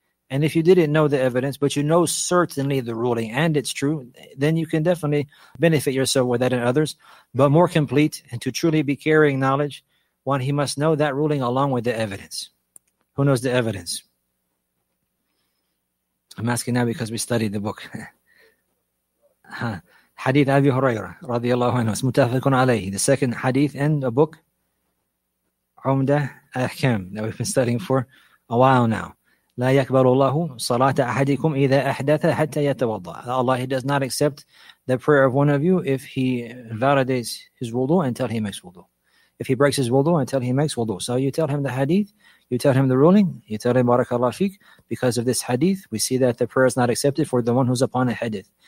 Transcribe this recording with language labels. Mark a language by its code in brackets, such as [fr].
[en] And if you didn't know the evidence, but you know certainly the ruling and it's true, then you can definitely benefit yourself with that and others. But more complete, and to truly be carrying knowledge, one, he must know that ruling along with the evidence. Who knows the evidence? I'm asking now because we studied the book. [ar] حديث أبي هريرة رضي الله عنه متفق عليه. [en] The second hadith in the book عمدة أحكام that we've been studying for a while now. [ar] لا يقبل الله صلاة أحدكم إذا أحدث حتى يتوضأ. [en] Allah, he does not accept the prayer of one of you if he invalidates his wudu until he makes wudu. If he breaks his wudu until he makes wudu. So you tell him the hadith, you tell him the ruling, you tell him barakallahu fik, because of this hadith, we see that the prayer is not accepted for the one who's upon a hadith.